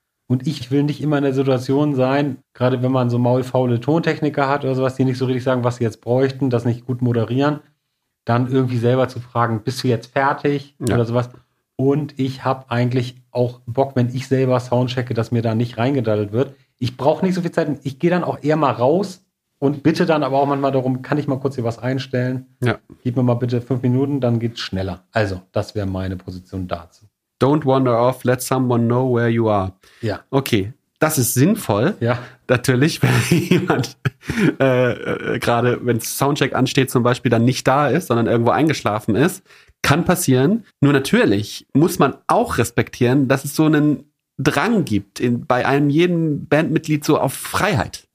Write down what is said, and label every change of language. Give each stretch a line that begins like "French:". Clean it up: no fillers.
German: Und ich will nicht immer in der Situation sein, gerade wenn man so maulfaule Tontechniker hat oder sowas, die nicht so richtig sagen, was sie jetzt bräuchten, das nicht gut moderieren, dann irgendwie selber zu fragen, bist du jetzt fertig oder sowas. Und ich habe eigentlich auch Bock, wenn ich selber Sound checke, dass mir da nicht reingedaddelt wird. Ich brauche nicht so viel Zeit. Ich gehe dann auch eher mal raus und bitte dann aber auch manchmal darum, kann ich mal kurz hier was einstellen? Ja. Gib mir mal bitte 5 Minuten, dann geht's schneller. Also, das wäre meine Position dazu.
English: Don't wander off, let someone know where you are.
German: Ja. Okay, das ist sinnvoll. Ja. Natürlich, wenn jemand gerade, wenn Soundcheck ansteht zum Beispiel, dann nicht da ist, sondern irgendwo eingeschlafen ist. Kann passieren. Nur natürlich muss man auch respektieren, dass es so einen Drang gibt bei einem jeden Bandmitglied so auf Freiheit.